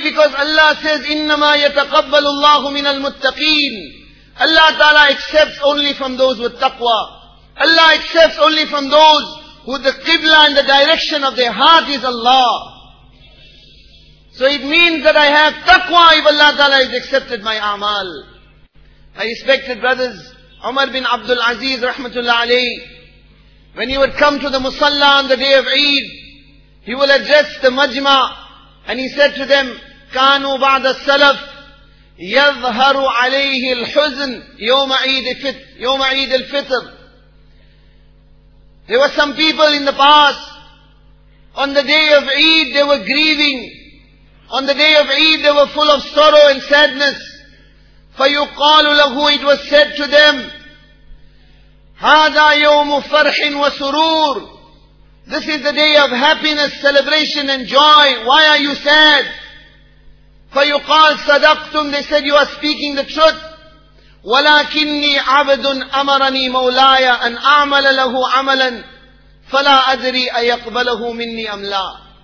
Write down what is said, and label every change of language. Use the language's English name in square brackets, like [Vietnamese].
[English] Because Allah says, [Arabic] إِنَّمَا يَتَقَبَّلُ اللَّهُ مِنَ الْمُتَّقِينَ. [English] Allah Ta'ala accepts only from those with taqwa. Allah accepts only from those who the qibla and the direction of their heart is Allah. So it means that I have taqwa if Allah Ta'ala has accepted my amal. My respected brothers, Umar bin Abdul Aziz rahmatullah alayh, when he would come to the musalla on the day of Eid, he will address the majma, and he said to them, [Arabic] كَانُوا بَعْدَ السَّلَفْ يَظْهَرُ عَلَيْهِ الْحُزْنِ يَوْمَ عِيدِ الْفِطْرِ. [English] There were some people in the past, on the day of Eid they were grieving. On the day of Eid, they were full of sorrow and sadness. [Arabic] فَيُقَالُ لَهُ, [English] it was said to them, [Arabic] هَذَا يَوْمُ فَرْحٍ وَسُرُورٍ. [English] This is the day of happiness, celebration and joy. Why are you sad? [Arabic] فَيُقَالُ صَدَقْتُمْ, [English] they said, you are speaking the truth. [Arabic] وَلَكِنِّي عَبْدٌ أَمَرَنِي مَوْلَايَ أَنْ أَعْمَلَ لَهُ عَمَلًا فَلَا أَدْرِي أَيَقْبَلَهُ مِنِّي أَمْ لَا.